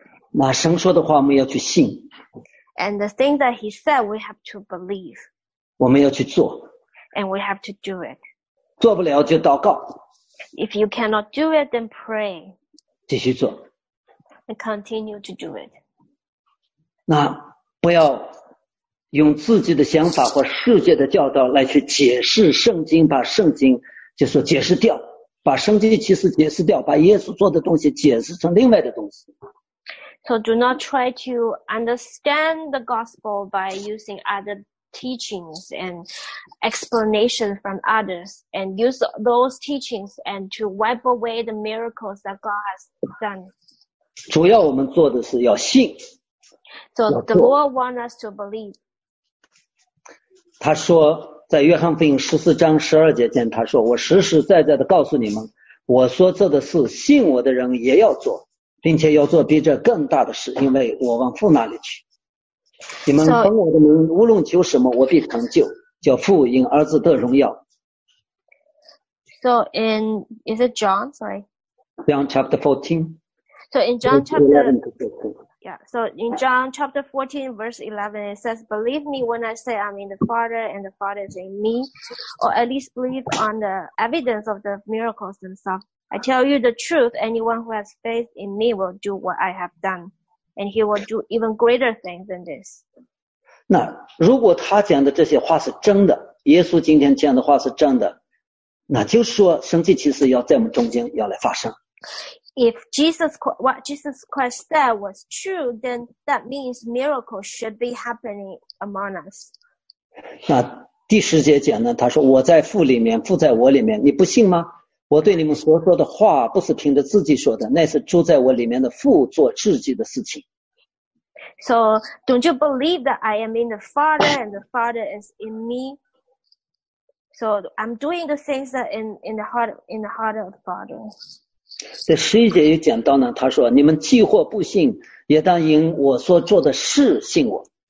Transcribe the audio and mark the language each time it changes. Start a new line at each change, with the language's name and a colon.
Chinese: 那神说的话我们要去信。
English: And the thing that he said, we have to believe.
Chinese: 我们要去做。
English: And we have to do it.
Chinese: 做不了就祷告。
English: If you cannot do it, then pray.
Chinese: 继续做。
English: And continue to do it.
Chinese: 那不要用自己的想法或世界的教导来去解释圣经，把圣经就说解释掉，把圣经其实解释掉，把耶稣做的东西解释成另外的东西。
English: So do not try to understand the gospel by using other teachings and explanation from others, and use those teachings and to wipe away the miracles that God has done.
Chinese: 主要我们做的是要信。
English: So the Lord wants us to believe.
Chinese: 他说在约翰福音十四章十二节间他说，我实实在在的告诉你们，我说这的事信我的人也要做，并且要做比这更大的事，因为我往父那里去。你们奉我的名无论求什么我必成就，叫父因儿子得荣耀。
English: So in, is it John? Sorry. John chapter 14. So in John chapter Yeah, so in John chapter 14, verse 11, it says, Believe me when I say I'm in the Father and the Father is in me, or at least believe on the evidence of the miracles themselves. I tell you the truth, anyone who has faith in me will do what I have done, and he will do even greater things than this.
Chinese: 那如果他讲的这些话是真的，耶稣今天讲的话是真的，那就说神迹其实要在我们中间要来发生。
English: If Jesus, what Jesus Christ said was true, then that means miracles should be happening among us.
Chinese: 那第十节讲呢，他说我在父里面，父在我里面，你不信吗？我对你们所说的话不是凭着自己说的，那是住在我里面的父做自己的事情。
English: So don't you believe that I am in the Father and the Father is in me? So I'm doing the things that in the heart of the Father.
Chinese: 在十一节也讲到呢，他说你们既或不信也当因我所做的事信我。